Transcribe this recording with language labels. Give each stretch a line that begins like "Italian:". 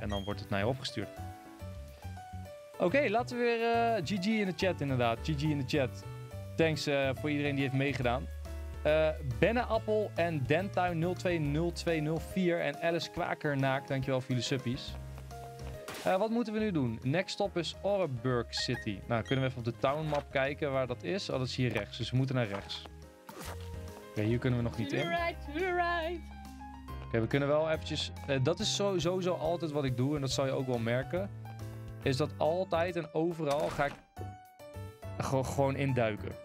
Dutch: En dan wordt het naar je opgestuurd. Oké, laten we weer GG in de chat inderdaad. GG in de chat. Thanks voor iedereen die heeft meegedaan. Benneappel en Dentuin 020204 en Alice Kwakernaak, dankjewel voor jullie suppies. Wat moeten we nu doen?
English: Next stop is Orenburg City.
Dutch: Nou, kunnen we even op de townmap kijken waar dat is? Oh, dat is hier rechts, dus we moeten naar rechts. Oké, hier kunnen we nog niet in.
English: To the right.
Dutch: Oké, we kunnen wel eventjes... dat is sowieso altijd wat ik doe en dat zal je ook wel merken. Is dat altijd en overal ga ik gewoon induiken.